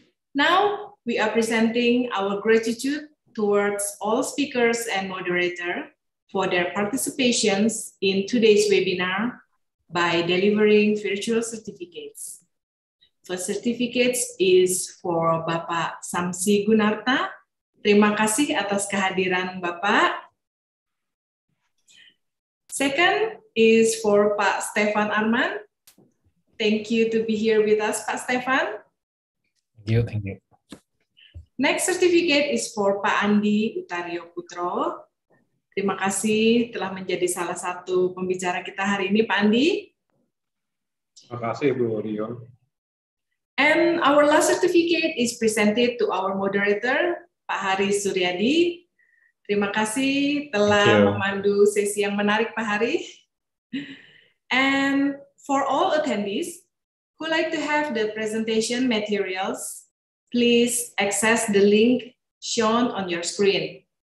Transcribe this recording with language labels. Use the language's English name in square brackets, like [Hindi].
[English] Now, we are presenting our gratitude towards all speakers and moderator for their participations in today's webinar by delivering virtual certificates. First certificate is for Bapak Samsi Gunarta. [Indonesian] Terima kasih atas kehadiran Bapak. [English] Second is for Pak Stefan Arman. Thank you to be here with us, Pak Stefan. Thank you. Next certificate is for Pak Andi Utario Putro. [Indonesian] Terima kasih telah menjadi salah satu pembicara kita hari ini, Pak Andi. Terima kasih, Bu Rio. [English] And our last certificate is presented to our moderator, Pak Hari Suryadi. [Indonesian] Terima kasih telah memandu sesi yang menarik, Pak Hari. [English] And for all attendees who like to have the presentation materials, please access the link shown on your screen.